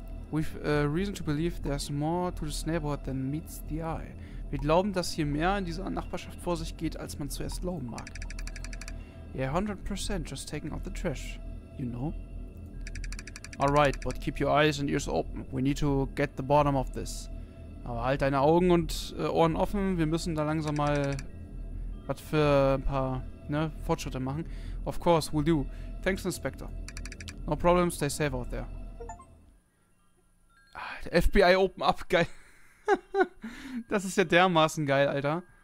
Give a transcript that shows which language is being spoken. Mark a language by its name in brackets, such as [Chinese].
[English] We've reason to believe there's more to this neighborhood than meets the eye. [German] Wir glauben, dass hier mehr in dieser Nachbarschaft vor sich geht, als man zuerst glauben mag. [English] Yeah, 100% just taking out the trash. You know? Alright, but keep your eyes and ears open. We need to get the bottom of this. [German] Aber halt deine Augen und Ohren offen. Wir müssen da langsam mal was für ein paar, ne, Fortschritte machen. [English] Of course, we'll do. Thanks, Inspector. No problem, stay safe out there. [German] Ah, der FBI [English] open up, [German] geil. Das ist ja dermaßen geil, Alter.